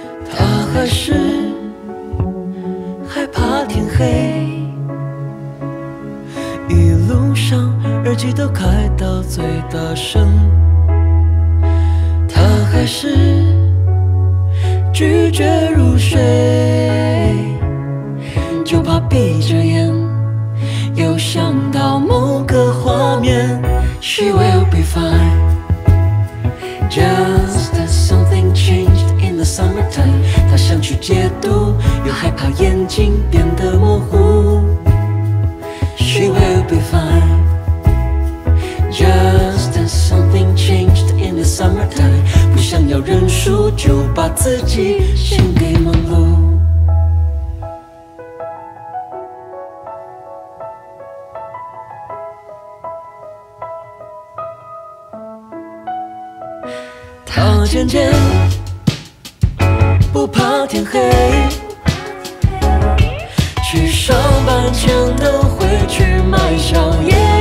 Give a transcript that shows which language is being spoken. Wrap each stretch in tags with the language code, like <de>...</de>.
<zh>他还是害怕天黑，一路上耳机都开到最大声，他还是拒绝入睡，就怕闭着眼又想到某个画面。</zh> <en>She will be fine, just as something changed in the summertime。</en> <zh>她想去解毒，又害怕眼睛变得模糊。</zh> <en>She will be fine, just as something changed in the summertime。</en> <zh>不想要认输，就把自己献给忙碌。渐渐不怕天黑，去上班前都会去买宵夜。</zh>